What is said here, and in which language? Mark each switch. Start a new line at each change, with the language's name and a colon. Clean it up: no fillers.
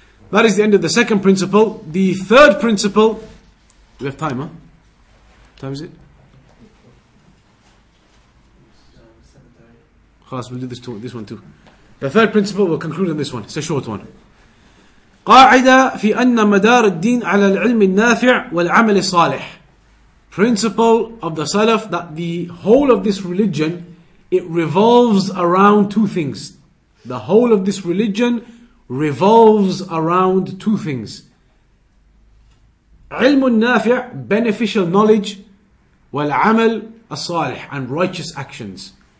English: That is the end of the second principle. The third principle, we have time, huh? What time is it? Khas, we'll do this one too. The third principle, we'll conclude on this one. It's a short one.
Arabic: قاعدة في أن مدار الدين على العلم النافع والعمل الصالح.
English: Principle of the Salaf, that the whole of this religion, it revolves around two things. The whole of this religion revolves around two things. علم النافع, beneficial knowledge, والعمل الصالح, and righteous actions.